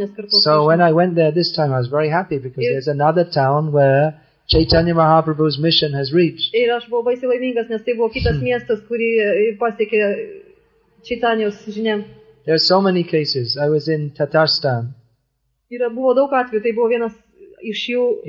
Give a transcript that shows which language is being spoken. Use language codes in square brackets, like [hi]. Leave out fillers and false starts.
[en] So when I went there this time, I was very happy because there's another town where Chaitanya Mahaprabhu's mission has reached. [lt] Ir aš buvau baisiai laimingas, nes tai buvo kitas miestas, kurį pasiekė Chaitanyos žinia. [en] There are so many cases. I was in Tatarstan. [lt] Yra buvo daug atvejų, tai buvo vienas iš jų